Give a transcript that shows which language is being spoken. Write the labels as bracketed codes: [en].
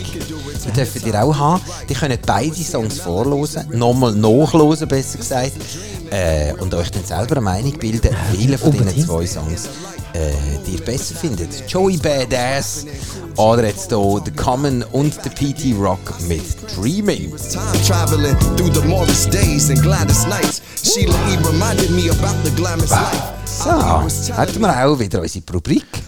[de] Die dürft ihr auch haben. Die können beide Songs vorlosen, nochmal nachlosen, besser gesagt. Und euch dann selber eine Meinung bilden, welche von diesen zwei Songs die ihr besser findet. Joey Badass oder jetzt hier The Common und The PT Rock mit Dreaming. [en] Time traveling through the modest days and gladdest nights. Sheila E. reminded me about the glamorous life. [de] So, hätten wir auch wieder unsere Rubrik.